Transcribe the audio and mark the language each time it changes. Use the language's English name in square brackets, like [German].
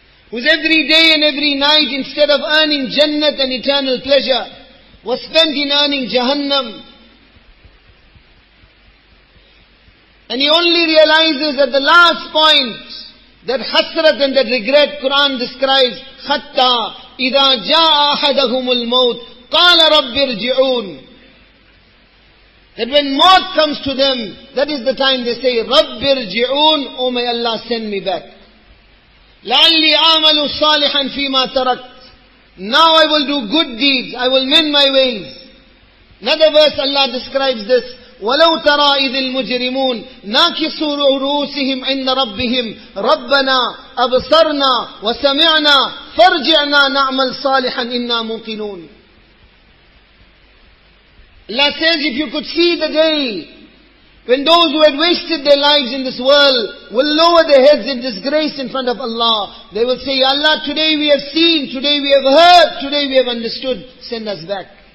[English] Whose every day and every night, instead of earning Jannat and eternal pleasure, was spent in earning Jahannam. And he only realizes at the last point that hasrat and that regret. Quran describes, Hatta [Arabic] إِذَا جَاءَ أَحَدَهُمُ الْمَوْتِ قَالَ رَبِّ ارْجِعُونَ. [English] That when mort comes to them, that is the time they say, [Arabic] رَبِّ ارْجِعُونَ, [English] O may Allah send me back. [Arabic] لَعَلِّي أَعْمَلُ صَالِحًا فِي مَا تَرَكْتْ. [English] Now I will do good deeds, I will mend my ways. Another verse Allah describes this, [Arabic] وَلَوْ تَرَى إِذِ الْمُجْرِمُونَ نَاكِسُوا رُؤُوسِهِمْ عِنَّ رَبِّهِمْ رَبَّنَا أَبْصَرْنَا وَسَمِعْنَا فَارْجِعْنَا نَعْمَلْ صَالِحًا إِنَّا مُوقِنُونَ. [English] Allah says, if you could see the day when those who had wasted their lives in this world will lower their heads in disgrace in front of Allah. They will say, Allah, today we have seen, today we have heard, today we have understood, send us back.